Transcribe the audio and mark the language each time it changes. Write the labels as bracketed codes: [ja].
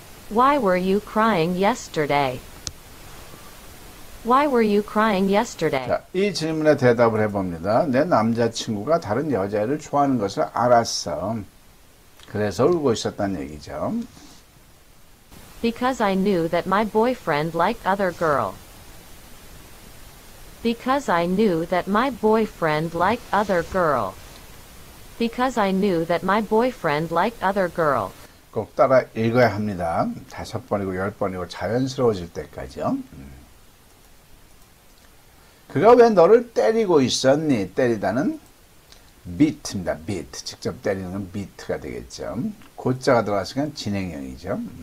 [en] Why were you crying yesterday? Why were you crying yesterday? [ko] 자, 이 질문에 대답을 해봅니다. 내 남자친구가 다른 여자애를 좋아하는 것을 알았어. 그래서 울고 있었단 얘기죠. [en] Because I knew that my boyfriend liked other girl. Because I knew that my boyfriend liked other girl. Because I knew that my boyfriend liked other girl. [ko] 꼭 따라 읽어야 합니다. 다섯 번이고 열 번이고 자연스러워질 때까지요. 그가 왜 너를 때리고 있었니? 때리다는 beat입니다. beat. 직접 때리는 건 beat가 되겠죠. 고자가 들어갔으니까 진행형이죠.